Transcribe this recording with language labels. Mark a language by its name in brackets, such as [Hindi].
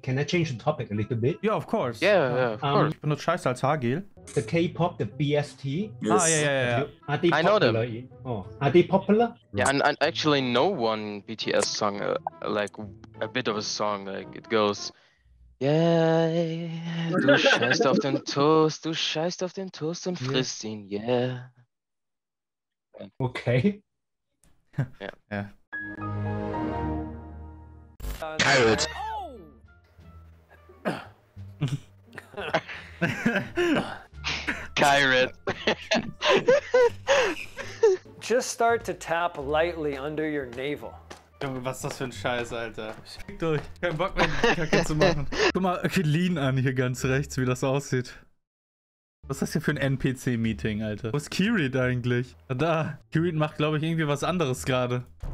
[English] Can I change the topic a little bit? Yeah, of course. Yeah, yeah, of course. [German] Ich benutze Scheiße als Haargel. [English] The K-pop, the BST. Yes. Ah, yeah, yeah, yeah. Are they popular? I know them. Oh. Are they popular? Yeah, and I actually know one BTS song, like a bit of a song, like it goes. [German] Yeah, du scheißt auf den Toast, du scheißt auf den Toast und frisst ihn, yeah. [English] Okay. Yeah. Yeah. Kyrit. Just start to tap lightly under your navel. [German] Junge, was ist das für ein Scheiß, Alter? Fick durch. Kein Bock mehr, die Kacke zu machen. Guck mal, okay, lean an hier ganz rechts, wie das aussieht. Was ist das hier für ein NPC-Meeting, Alter? Wo ist Kyrit eigentlich? Da. Kyrit macht, glaube ich, irgendwie was anderes gerade.